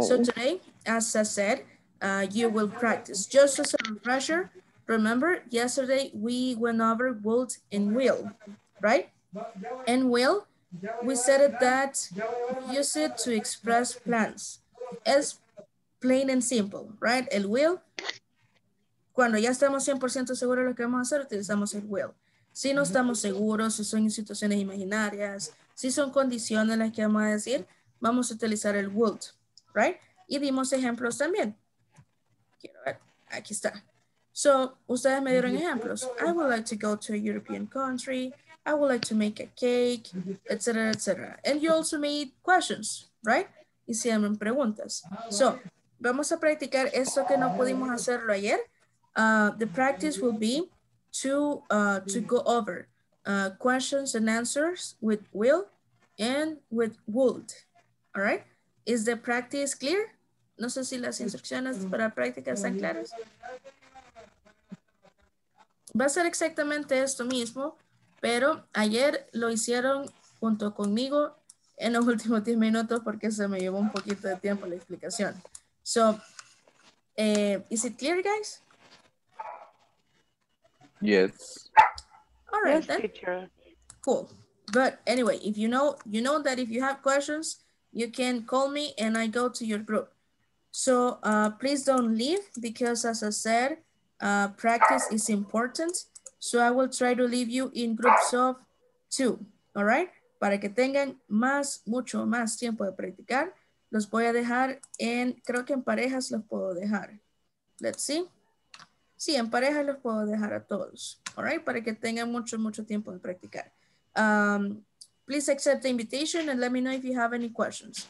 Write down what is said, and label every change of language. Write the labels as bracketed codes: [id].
[en] So, today, as I said, you will practice. Just as a refresher, remember yesterday we went over would and will, right? And will, we said it that use it to express plans. It's plain and simple, right? [es] El will, cuando ya estamos 100% seguros de lo que vamos a hacer, utilizamos el will. Si no estamos seguros, si son situaciones imaginarias, si son condiciones las que vamos a decir, vamos a utilizar el would, right? Y dimos ejemplos también. Quiero ver, aquí está. So, ustedes me dieron ejemplos. [en] I would like to go to a European country. I would like to make a cake, etc., etc. And you also made questions, right? [es] Hicieron preguntas. So, vamos a practicar esto que no pudimos hacerlo ayer. [en] The practice will be to go over questions and answers with will and with would. All right? Is the practice clear? [es] No sé si las instrucciones para práctica están claras. Va a ser exactamente esto mismo, pero ayer lo hicieron junto conmigo en los últimos 10 minutos porque se me llevó un poquito de tiempo la explicación. [en] So, is it clear, guys? Yes. All right, yes, then. Teacher. Cool. But anyway, if you know that if you have questions, you can call me and I go to your group. So, please don't leave because, as I said, practice is important, so I will try to leave you in groups of two, all right? [es] Para que tengan más, mucho más tiempo de practicar Los voy a dejar en, creo que en parejas los puedo dejar. [en] Let's see. [es] Sí, en parejas los puedo dejar a todos. [en] All right, [es] para que tengan mucho, mucho tiempo de practicar. [en] Please accept the invitation and let me know if you have any questions.